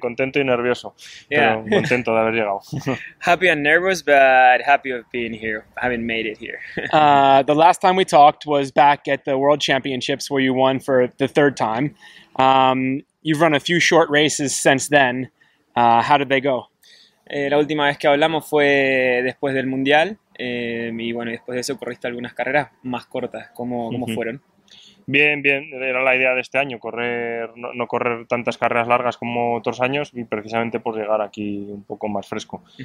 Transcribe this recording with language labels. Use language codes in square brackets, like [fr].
[es] Contento y nervioso, pero contento de haber llegado. [en] Happy and nervous, but happy of being here, having made it here. The last time we talked was back at the World Championships where you won for the third time. You've run a few short races since then. How did they go? [es] La última vez que hablamos fue después del Mundial. Y bueno, después de eso corriste algunas carreras más cortas. ¿Cómo fueron? Bien, era la idea de este año, no correr tantas carreras largas como otros años y precisamente por llegar aquí un poco más fresco.